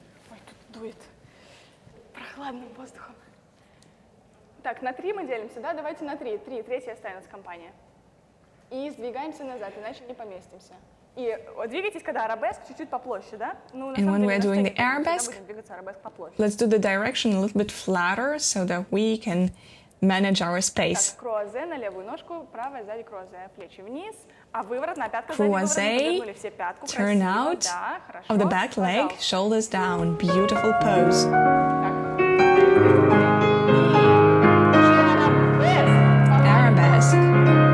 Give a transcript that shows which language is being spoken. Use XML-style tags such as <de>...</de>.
<ru>Ой, тут дует прохладным воздухом. Так, на три мы делимся, да? Давайте на три. Три, третья останется компания. И сдвигаемся назад, иначе не поместимся. И двигайтесь, когда арабеск, чуть-чуть поплоще, да? Ну, на</ru> <en>and when we're doing the arabesque, let's do the direction a little bit flatter, so that we can manage our space.</en> <ru>Croisé на левую ножку, правая сзади croisé, плечи вниз, а выворот на пятку сзади выворот, повернули все пятку,</ru> <en>turn</en> <ru>красиво,</ru> <en>out</en> <ru>да,</ru> <en>of the back leg, shoulders down, beautiful pose. Arabesque.</en>